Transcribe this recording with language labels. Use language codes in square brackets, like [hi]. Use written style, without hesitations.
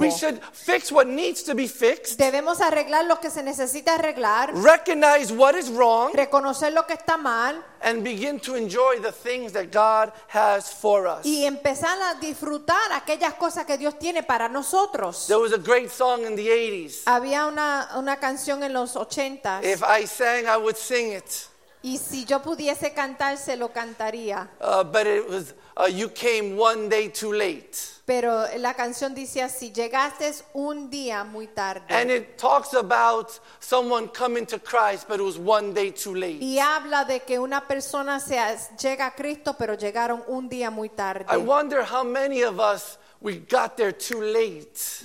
[en] We should fix what needs to be fixed. [es] Debemos arreglar lo que se necesita arreglar. [en] Recognize what is wrong. [es] Reconocer lo que está mal. [en] And begin to enjoy the things that God has for us. [es] Y empezar a disfrutar aquellas cosas que Dios tiene para nosotros. [en] There was a great song in the 80s. [es] Había una canción en los 80s. [en] If I sang, I would sing it. [es] Y si yo pudiese cantar, se lo cantaría. [en] But it was, you came one day too late. [es] Pero la canción dice así, llegaste un día muy tarde. [en] And it talks about someone coming to Christ, but it was one day too late. [es] Y habla de que una persona llega a Cristo, pero llegaron un día muy tarde. [en] I wonder how many of us, we got there too late.